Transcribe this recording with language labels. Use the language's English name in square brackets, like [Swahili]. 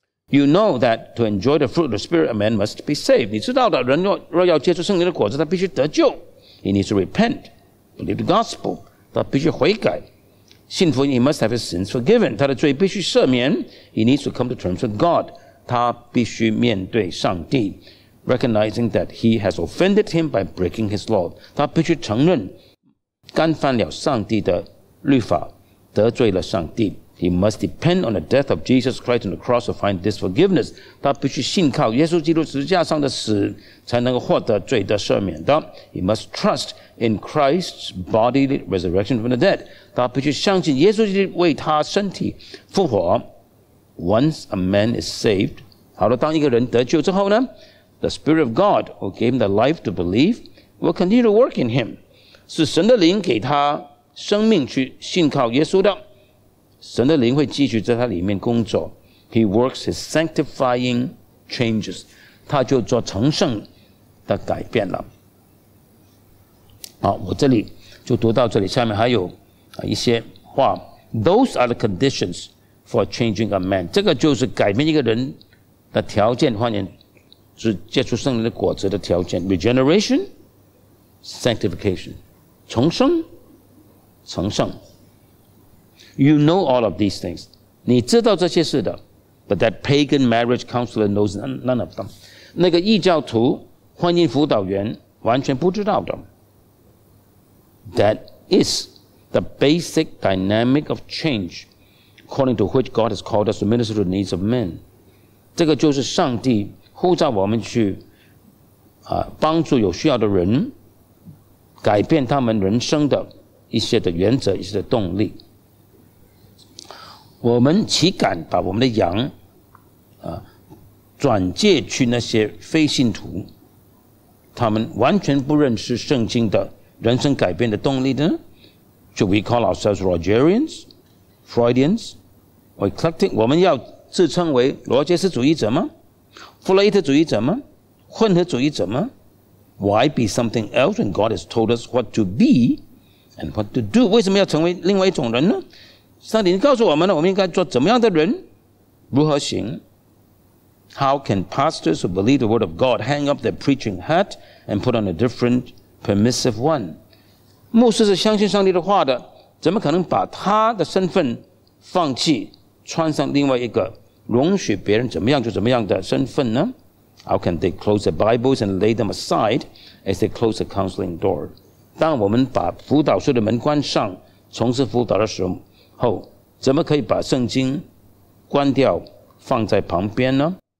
[English] You know that to enjoy the fruit of the Spirit, a man must be saved. [Chinese] 你知道的，人若要接触圣灵的果子，他必须得救。 [English] He needs to repent, believe the gospel. [Chinese] 他必须悔改，信服。 [English] He must have his sins forgiven. [Chinese] 他的罪必须赦免。 [English] He needs to come to terms with God. [Chinese] 他必须面对上帝， [English] recognizing that he has offended him by breaking his law. [Chinese] 他必须承认干犯了上帝的律法，得罪了上帝。 [English] He must depend on the death of Jesus Christ on the cross to find this forgiveness. [Chinese] 他必须信靠耶稣基督十字架上的死，才能获得罪的赦免的。 [English] He must trust in Christ's bodily resurrection from the dead. [Chinese] 他必须相信耶稣基督为他身体复活。 [English] Once a man is saved, [Chinese] 好了，当一个人得救之后呢， [English] The Spirit of God who gave him the life to believe will continue to work in him. [Chinese] 是神的灵给他生命去信靠耶稣的。神的灵会继续在他里面工作。 [English] He works his sanctifying changes. [Chinese] 他就做成圣的改变了。好，我这里就读到这里，下面还有一些话。 [English] Those are the conditions for changing a man. [Chinese] 这个就是改变一个人的条件，换言之，结出圣灵的果子的条件。 [English] Regeneration, sanctification, [Chinese] 重生，成圣。 [English] You know all of these things. [Chinese] 你知道这些事的。 [English] But that pagan marriage counselor knows none of them. [Chinese] 那个异教徒婚姻辅导员完全不知道的。 [English] That is the basic dynamic of change according to which God has called us to minister to the needs of men. [Chinese] 这个就是上帝呼召我们去帮助有需要的人，改变他们人生的一些的原则，一些的动力。我们岂敢把我们的羊转借去那些非信徒，他们完全不认识圣经的人生改变的动力呢？ [English] Should we call ourselves Rogerians, Freudians, or eclectic? [Chinese] 我们要自称为罗杰斯主义者吗？弗洛伊德主义者吗？混合主义者吗？ [English] Why be something else when God has told us what to be and what to do? [Chinese] 为什么要成为另外一种人呢？上帝告诉我们了，我们应该做怎么样的人，如何行？ [English] How can pastors who believe the word of God hang up their preaching hat and put on a different permissive one? [Chinese] 牧师是相信上帝的话的，怎么可能把他的身份放弃，穿上另外一个容许别人怎么样就怎么样的身份呢？ [English] How can they close their Bibles and lay them aside as they close the counseling door? [Chinese] 当我们把辅导室的门关上，从事辅导的时候，怎么可以把圣经关掉放在旁边呢？